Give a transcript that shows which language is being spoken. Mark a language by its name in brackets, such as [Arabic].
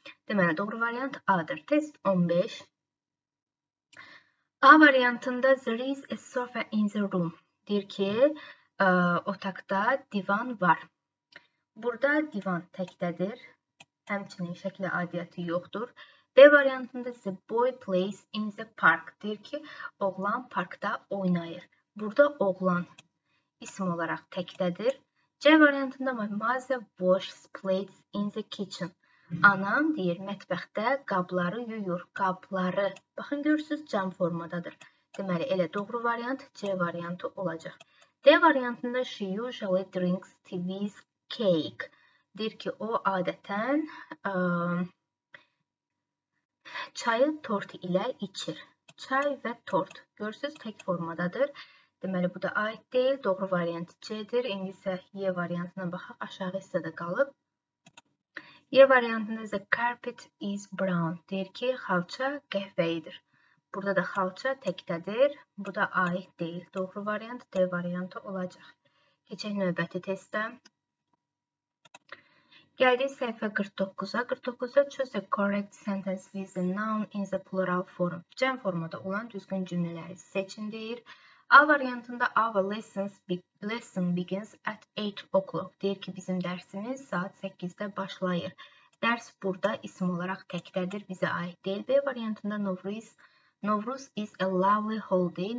[Azerbaijani] Deməli, doğru variant A-dır. Test 15. A variantında [English] there is a sofa in the room. [Azerbaijani] Deyir ki, otaqda divan var. Burada divan təkdədir. Həmçinin şəkli adiyyəti yoxdur. D variantında [English] the boy plays in the park. [Azerbaijani] Deyir ki, oğlan parkda oynayır. Burada oğlan ismi olaraq təkdədir. C variantında [English] my mother washes plates in the kitchen. [Azerbaijani] Anam deyir, mətbəxdə qabları yuyur. Qabları. Baxın, görürsünüz, cam formadadır. Deməli, elə doğru variant C variantı olacaq. D variantında [English] she usually drinks TV's cake. [Azerbaijani] Deyir ki, o adətən çayı tort ilə içir. Çay və tort. Görürsünüz, tək formadadır. Deməli, bu da A deyil. Doğru variant C-dir. İndi isə E variantına baxaq. Aşağı hissədə qalıb. E variantında isə [English] carpet is brown. [Azerbaijani] Deyir ki, xalça qəhvəyidir. Burada da xalça təkdədir. Bu da A deyil. Doğru variant D variantı olacaq. Keçək növbəti testə. Gəldik səhifə 49-a. [English] 49-da choose the correct sentence with the noun in the plural form. [Azerbaijani] Cəm formada olan düzgün cümləri seçin deyir. A variantında [English] our lesson begins at 8 o'clock. [Azerbaijani] Deyir ki, bizim dərsimiz saat 8-də başlayır. Dərs burada isim olaraq təkdədir, bizə aid deyil. B variantında [English] Novruz is a lovely holiday.